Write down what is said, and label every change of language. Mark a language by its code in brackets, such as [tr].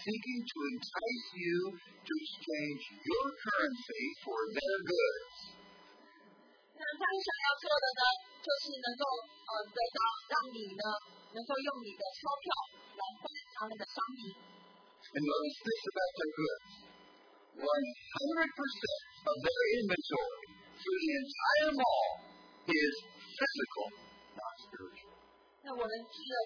[en] seeking to entice you to exchange your currency for their goods. [zh] 那他们想要做的呢，就是能够得到让你呢，能够用你的钞票来换他们的商品。 [en] And notice this about their goods. 100% of their inventory through the entire mall is physical, not spiritual.